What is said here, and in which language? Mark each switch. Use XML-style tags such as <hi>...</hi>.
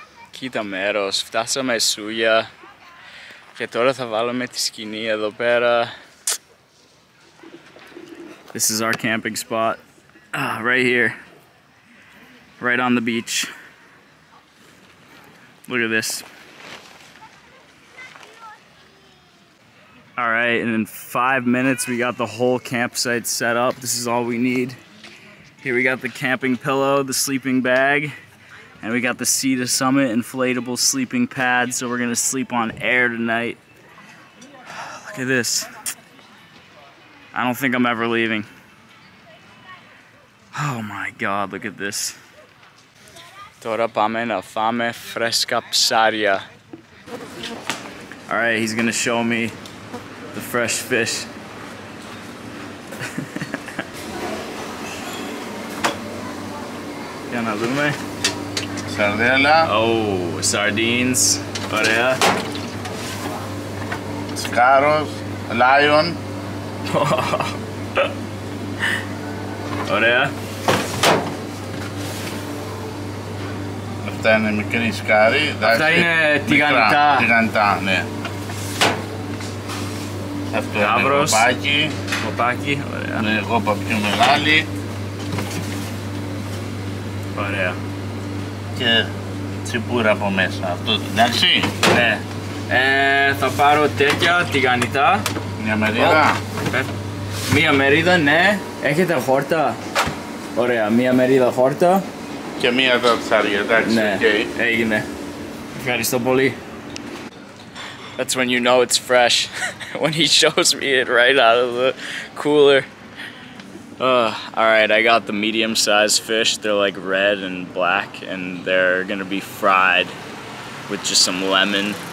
<el>Κοίτα μέρος, φτάσαμε Σούγια και τώρα θα βάλουμε τη σκηνή εδώ πέρα.</el> <en>This is our camping spot, right here, right on the beach. Look at this. All right, and in 5 minutes, we got the whole campsite set up. This is all we need. Here we got the camping pillow, the sleeping bag, and we got the Sea to Summit inflatable sleeping pad, so we're gonna sleep on air tonight. Look at this. I don't think I'm ever leaving. Oh my God, look at this.</en> <el>Τώρα πάμε να φάμε φρέσκα ψάρια.</el> <en>All right, he's gonna show me the fresh fish.</en> <el>Για να δούμε. Σαρδέλα.</el> <en>Oh, sardines.</en> <el>Ωραία. Σκάρος.</el> <en>Lion.</en> <el>Ωραία. Αυτά είναι μικρή σκάρη. Αυτά είναι τηγανιτά. Τηγανιτά, ναι. Αυτό είναι κοπάκι. Κοπάκι, ωραία. Είναι κόπα πιο μεγάλη. Ωραία. Και τσιπούρα από μέσα. Αυτό, εντάξει. Ναι. Θα πάρω τέτοια τηγανιτά. Μια μερίδα. Μια μερίδα, ναι. Έχετε χόρτα. Ωραία, μια μερίδα χόρτα. Και μία εδώ ψάρια, εντάξει, ναι,</el> <en>okay.</en> <el>Έγινε. Ευχαριστώ πολύ.</el> <en>That's when you know it's fresh. When he shows me it right out of the cooler. All right, I got the medium-sized fish. They're like red and black, and they're gonna be fried with just some lemon.</en>